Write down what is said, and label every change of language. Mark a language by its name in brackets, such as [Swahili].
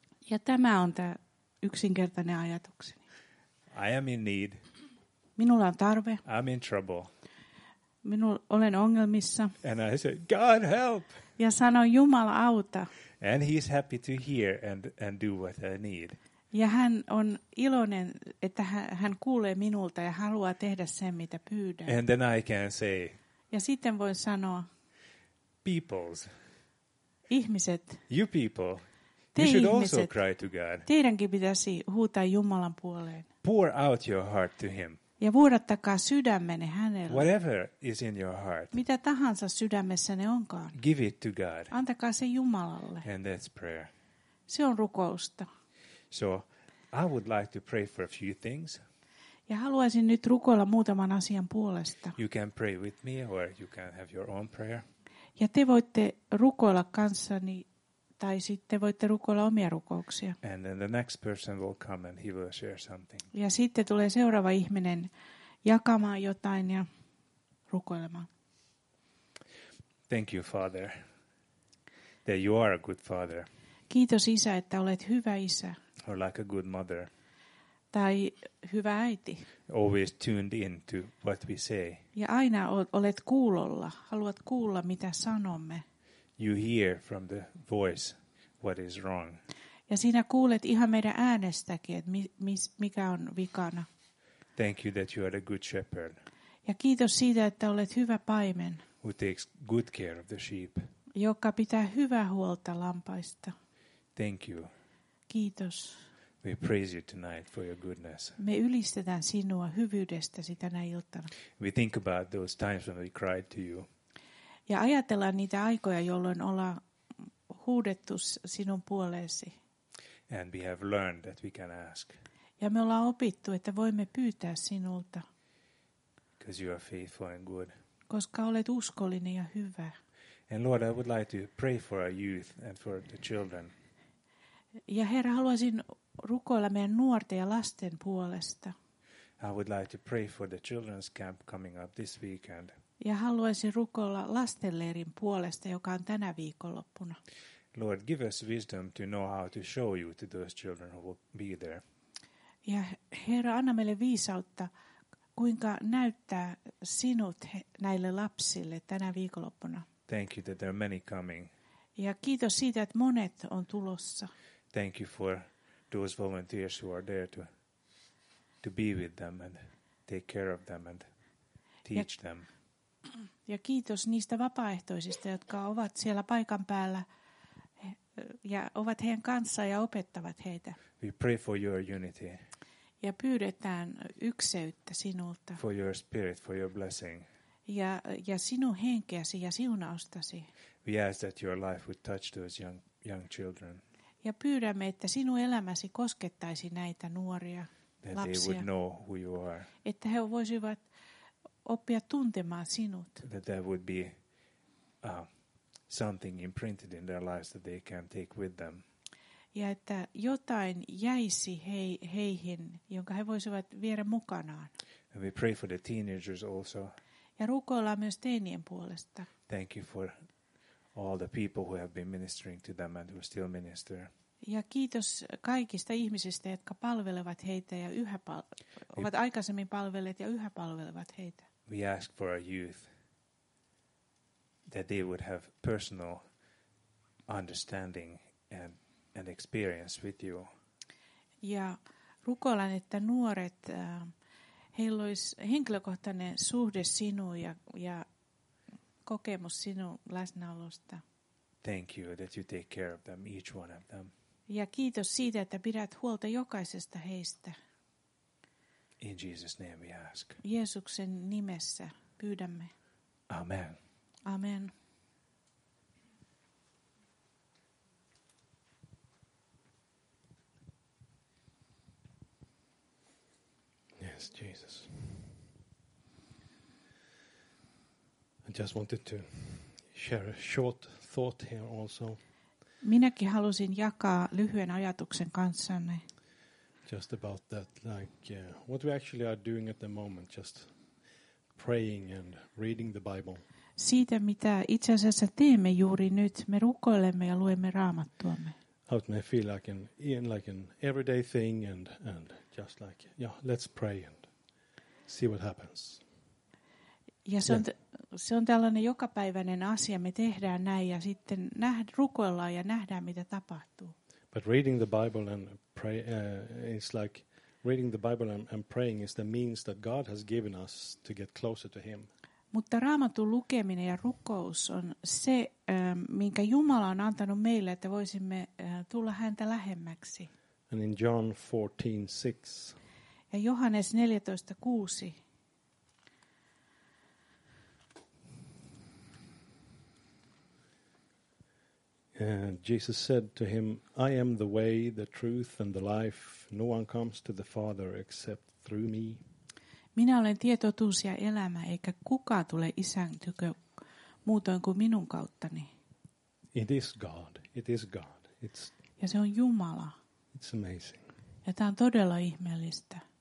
[Finnish] Ja tämä on tämä yksinkertainen ajatukseni. [English] I am in need. [Finnish] Minulla on tarve. [English] I'm in trouble. [Finnish] Minulla olen ongelmissa. [English] And I said, God help! [Finnish] Ja sanoin, Jumala auta. [English] And he's happy to hear and do what I need. [Finnish] Ja hän on iloinen, että hän kuulee minulta ja haluaa tehdä sen, mitä pyydän. [English] And then I can say. [Finnish] Ja sitten voin sanoa. [English] Peoples. [Finnish] Ihmiset. [English] You people. You should also cry to God. [Finnish] Teidänkin pitäisi huutaa Jumalan puoleen. [English] Pour out your heart to him. [Finnish] Ja vuodattakaa sydämenne hänelle. [English] Whatever is in your heart. [Finnish] Mitä tahansa sydämessäne onkaan. [English] Give it to God. [Finnish] Antakaa se Jumalalle. [English] And that's prayer. [Finnish] Se on rukousta. [English] So I would like to pray for a few things. [Finnish] Ja haluaisin nyt rukoilla muutaman asian puolesta. [English] You can pray with me or you can have your own prayer. [Finnish] Ja te voitte rukoilla kanssani tai sitten voitte rukoilla omia rukouksia. [English] And then the next person will come and he will share something. [Finnish] Ja sitten tulee seuraava ihminen jakamaan jotain ja rukoilemaan. [English] Thank you, Father, that you are a good father. [Finnish] Kiitos Isä, että olet hyvä isä. [English] Or like a good mother. [Finnish] Tai hyvä äiti. [English] Always tuned in to what we say. [Finnish] Ja aina olet kuulolla, haluat kuulla mitä sanomme. [English] You hear from the voice what is wrong. [Finnish] Ja sinä kuulet ihan meidän äänestäkin, että mikä on vikana. [English] Thank you that you are a good shepherd. [Finnish] Ja kiitos siitä, että olet hyvä paimen. [English] Who takes good care of the sheep. [Finnish] Joka pitää hyvää huolta lampaista. [English] Thank you. [Finnish] Kiitos. [English] We praise you tonight for your goodness. [Finnish] Me ylistetään sinua hyvyydestäsi tänä iltana. [English] We think about those times when we cried to you. [Finnish] Ja ajatellaan niitä aikoja, jolloin ollaan huudettu sinun puoleesi. [English] And we have learned that we can ask. [Finnish] Ja me ollaan opittu, että voimme pyytää sinulta. [English] Because you are faithful and good. [Finnish] Koska olet uskollinen ja hyvä. [English] And Lord, I would like to pray for our youth and for the children. [Finnish] Ja Herra, haluaisin rukoilla meidän nuorten ja lasten puolesta. [English] I would like to pray for the children's camp coming up this weekend. [Finnish] Ja haluaisin rukoilla lastenleirin puolesta, joka on tänä viikonloppuna. [English] Lord, give us wisdom to know how to show you to those children who will be there. [Finnish] Ja Herra, anna meille viisautta, kuinka näyttää sinut näille lapsille tänä viikonloppuna. [English] Thank you that there are many coming. [Finnish] Ja kiitos siitä, että monet on tulossa. [English] Thank you for those volunteers who are there to be with them and take care of them and teach them. [Finnish] Ja kiitos niistä vapaaehtoisista, jotka ovat siellä paikan päällä ja ovat heidän kanssaan ja opettavat heitä. [English] We pray for your unity. [Finnish] Ja pyydetään ykseyttä sinulta. [English] For your spirit, for your blessing. [Finnish] Ja sinun henkeäsi ja siunaustasi. [English] We ask that your life would touch those young children. [Finnish] Ja pyydämme, että sinun elämäsi koskettaisi näitä nuoria [English] that [Finnish] lapsia. [English] They would know who you are. [Finnish] Että he voisivat oppia tuntemaan sinut. [English] That there would be something imprinted in their lives that they can take with them. [Finnish] Ja että jotain jäisi heihin, jonka he voisivat viedä mukanaan. [English] And we pray for the teenagers also. [Finnish] Ja rukoillaan myös teinien puolesta. [English] Thank you for all the people who have been ministering to them and who still minister. [Finnish] Ja kiitos kaikista ihmisistä, jotka palvelevat heitä ja yhä ovat aikaisemmin palvelleet ja yhä palvelevat heitä. [English] We ask for our youth that they would have personal understanding and experience with you. [Finnish] Ja rukoilen, että nuoret heillä olisi henkilökohtainen suhde sinuun ja kokemus sinun läsnäolosta. [English] Thank you that you take care of them, each one of them. [Finnish] Ja kiitos siitä, että pidät huolta jokaisesta heistä. [English] In Jesus' name we ask. [Finnish] Jeesuksen nimessä pyydämme. [English] Amen. [Finnish] Amen. [English] Yes, Jesus. Just wanted to share a short thought here also. [Finnish] Minäkin halusin jakaa lyhyen ajatuksen kanssanne. [English] Just about that, like what we actually are doing at the moment, just praying and reading the Bible. [Finnish] Siitä, mitä itse asiassa teemme juuri nyt, me rukoilemme ja luemme Raamattuamme. [English] How it may feel like an everyday thing and just like, yeah, let's pray and see what happens. [Finnish] Ja se on tällainen jokapäiväinen asia, me tehdään näin ja sitten rukoillaan ja nähdään mitä tapahtuu. [English] But reading the Bible and pray is like reading the Bible and praying is the means that God has given us to get closer to him. [Finnish] Mutta Raamatun lukeminen ja rukous on se minkä Jumala on antanut meille, että voisimme tulla häntä lähemmäksi. [English] And in John 14:6. [Finnish] Ja Johannes 14:6. [English] Jesus said to him, I am the way, the truth and the life. No one comes to the Father except through me. [Finnish] Minä olen tie, totuus ja elämä, eikä kukaan tule isän tykö muutoin kuin minun kauttani. [English] It is God. It is God. It's, [Finnish] ja se on Jumala. [English] It's amazing. [Finnish] Ja tämä on todella ihmeellistä.